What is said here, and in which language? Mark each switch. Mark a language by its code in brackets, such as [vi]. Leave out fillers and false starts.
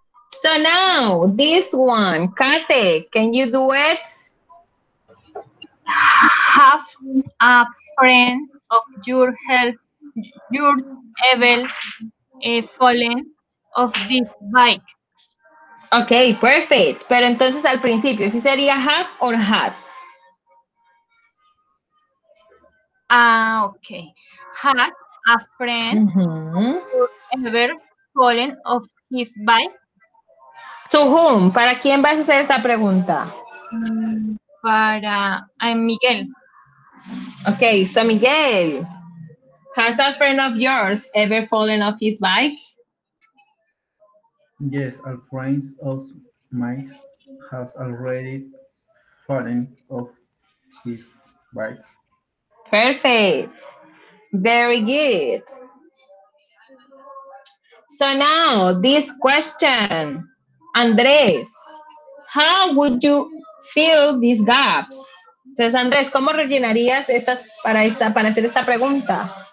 [en] So now this one, Kate, can you do it? Have a friend of your health, your ever fallen of this bike. Okay, perfect. [es] Pero entonces al principio, ¿sí sería have or has? [en] Okay. Has a friend ever fallen off his bike? To whom? [es] ¿Para quién vas a hacer esa pregunta? Para Miguel. [en] Okay, so Miguel, has a friend of yours ever fallen off his bike? Yes, a friend of mine has already fallen off his bike. Perfect. Very good. So now this question, Andrés, how would you fill these gaps? [es] Entonces, Andrés, ¿cómo rellenarías estas para hacer esta pregunta?